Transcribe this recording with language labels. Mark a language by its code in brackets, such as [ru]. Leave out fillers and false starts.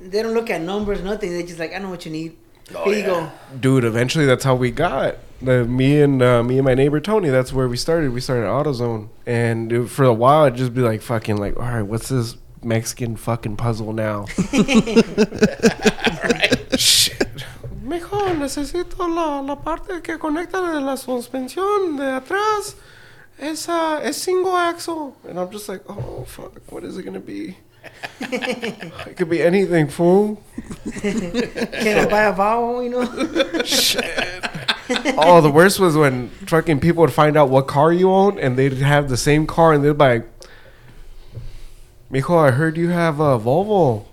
[en] They don't look at numbers, nothing. They're just like, I know what you need. Here you go. Dude, eventually that's how we got it. Me and my neighbor Tony, that's where we started. We started AutoZone. And dude, for a while, I'd just be like, fucking, like, all right, what's this Mexican fucking puzzle now? Shit. [es] Mijo, necesito la parte que conecta de la suspensión de atrás. Es single axle. [en] And I'm just like, oh, fuck, what is it going to be? It could be anything, fool. Can I buy a vowel, you know? Shit. Oh, the worst was when trucking people would find out what car you own, and they'd have the same car, and they'd be like, mijo, I heard you have a Volvo.